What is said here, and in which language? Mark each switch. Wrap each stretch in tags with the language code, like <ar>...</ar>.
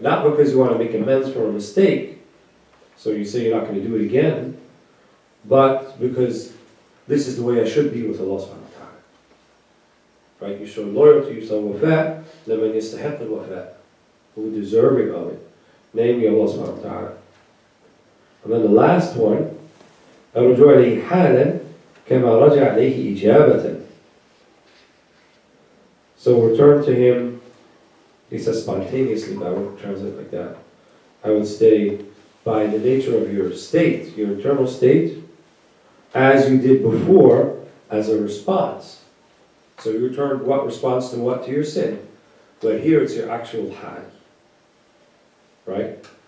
<en>Not because you want to make amends for a mistake, so you say you're not going to do it again, but because this is the way I should be with Allah subhanahu wa ta'ala. Right? You show loyalty, you show wafa,</en> <ar>لَمَنْ يَسْتَحَقِّ الْوَفَاءَ.</ar> <en>Who is deserving of it? Namely Allah subhanahu wa ta'ala. And then the last one,</en> <ar>أَرْجُعَ إِلَيْهِ حَالًا كَمَا رَجَعَ إِلَيْهِ إِجَابَةً.</ar> <en>So return to Him, he says spontaneously, but I won't translate like that. I would say, by the nature of your state, your internal state, as you did before, as a response. So you returned what response to what? To your sin. But here it's your actual hal. Right?</en>